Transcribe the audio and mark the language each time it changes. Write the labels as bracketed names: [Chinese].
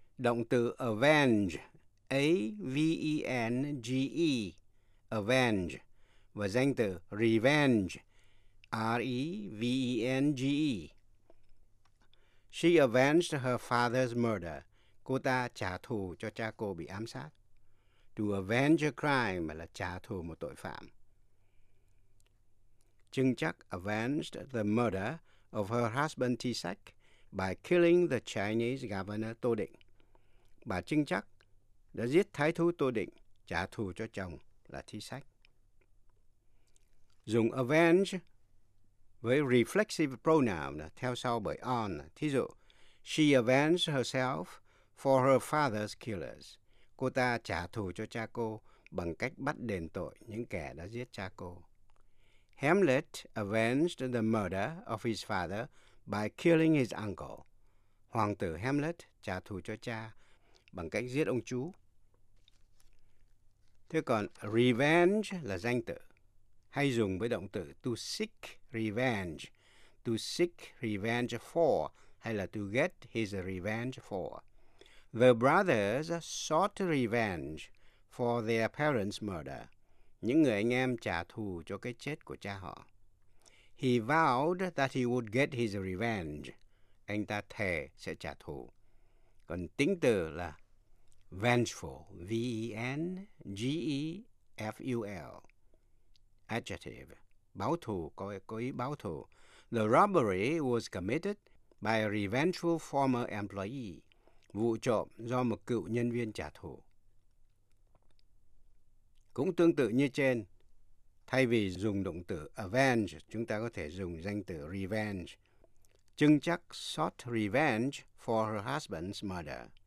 [Vietnamese] Động từ avenge, A-V-E-N-G-E, avenge, và danh từ revenge, R-E-V-E-N-G-E. [English] She avenged her father's murder. [Vietnamese] Cô ta trả thù cho cha cô bị ám sát. [English] To avenge a crime [Vietnamese] là trả thù một tội phạm. [English] Trưng chắc avenged the murder of her husband T-Sack by killing the Chinese governor Tô Định. [Vietnamese] Bà Trưng chắc đã giết thái thú Tô Định, trả thù cho chồng là T-Sack. Dùng avenge với reflexive pronoun theo sau bởi on. Thí dụ, [English] she avenged herself for her father's killers. [Vietnamese] Cô ta trả thù cho cha cô bằng cách bắt đền tội những kẻ đã giết cha cô. [English] Hamlet avenged the murder of his father by killing his uncle. [Vietnamese] Hoàng tử Hamlet trả thù cho cha bằng cách giết ông chú. Thế còn revenge là danh từ, hay dùng với động từ to seek revenge for, hay là to get his revenge for. [English] The brothers sought revenge for their parents' murder. [Vietnamese] Những người anh em trả thù cho cái chết của cha họ. [English] He vowed that he would get his revenge. [Vietnamese] Anh ta thề sẽ trả thù. Còn tính từ là vengeful, V-E-N-G-E-F-U-L. Adjective, báo thù, có ý báo thù. [English] The robbery was committed by a revengeful former employee. [Vietnamese] Vụ trộm do một cựu nhân viên trả thù. Cũng tương tự như trên, thay vì dùng động từ avenge, chúng ta có thể dùng danh từ revenge. [English] Trưng chắc sought revenge for her husband's murder.